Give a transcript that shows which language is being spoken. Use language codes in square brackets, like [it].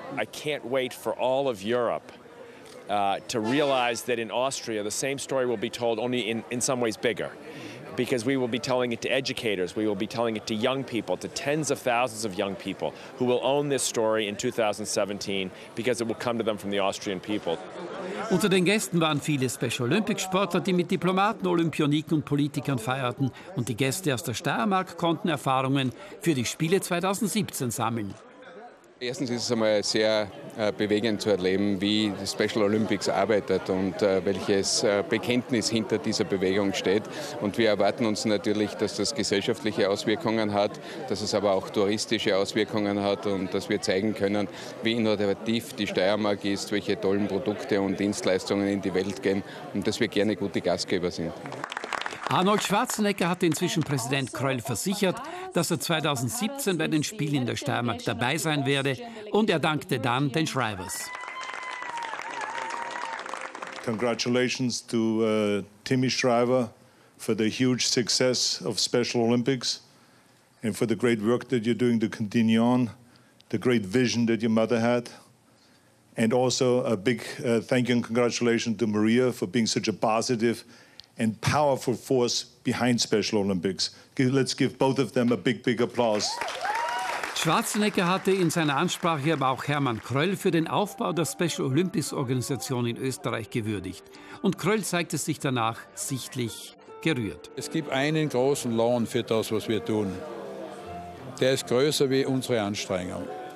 [en] I can't wait for all of Europe to realize that in Austria, the same story will be told, only in some ways bigger, because we will be telling it to educators, we will be telling it to young people, to tens of thousands of young people who will own this story in 2017, because it will come to them from the Austrian people. [de] Unter den Gästen waren viele Special Olympics Sportler, die mit Diplomaten, Olympioniken und Politikern feierten. Und die Gäste aus der Steiermark konnten Erfahrungen für die Spiele 2017 sammeln. Erstens ist es einmal sehr bewegend zu erleben, wie die Special Olympics arbeitet und welches Bekenntnis hinter dieser Bewegung steht. Und wir erwarten uns natürlich, dass das gesellschaftliche Auswirkungen hat, dass es aber auch touristische Auswirkungen hat und dass wir zeigen können, wie innovativ die Steiermark ist, welche tollen Produkte und Dienstleistungen in die Welt gehen und dass wir gerne gute Gastgeber sind. Arnold Schwarzenegger hatte inzwischen Präsident Kröll versichert, dass er 2017 bei den Spielen in der Steiermark dabei sein werde. Und er dankte dann den Schreibers. [en] Congratulations to Timmy Schreiber for the huge success of Special Olympics and for the great work that you're doing to continue on, the great vision that your mother had. And also a big thank you and congratulations to Maria for being such a positive and powerful force behind Special Olympics. Let's give both of them a big, big applause. [de] Schwarzenegger hatte in seiner Ansprache aber auch Hermann Kröll für den Aufbau der Special Olympics-Organisation in Österreich gewürdigt. Und Kröll zeigte sich danach sichtlich gerührt. Es gibt einen großen Lohn für das, was wir tun. Der ist größer wie unsere Anstrengung.